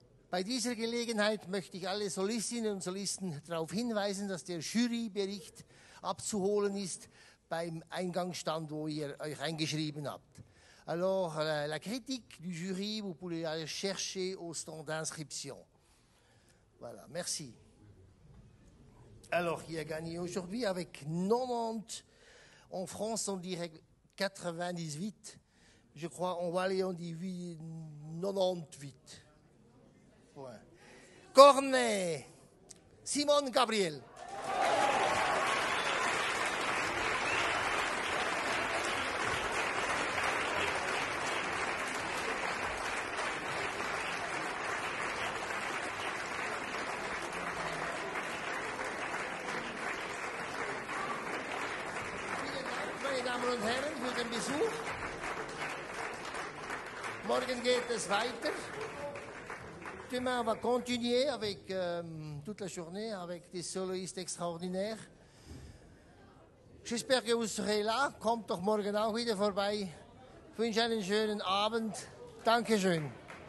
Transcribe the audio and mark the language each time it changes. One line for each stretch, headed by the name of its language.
German: Bei dieser Gelegenheit möchte ich alle Solistinnen und Solisten darauf hinweisen, dass der Jurybericht abzuholen ist beim Eingangsstand, wo ihr euch eingeschrieben habt.
French: Alors, la critique du jury, vous pouvez aller chercher au stand d'inscription. Voilà, merci. Alors, qui a gagné aujourd'hui avec 90, en France on dirait 98, je crois en Wallonie on dit 98. Cornet, Simone Gabriel.
German: Vielen Dank, meine Damen und Herren, für den Besuch. Morgen geht es weiter.
French: Demain, on va continuer avec toute la journée avec des soloistes extraordinaires. J'espère que vous serez là.
German: Kommt doch morgen auch wieder vorbei. Ich wünsche einen schönen Abend. Dankeschön.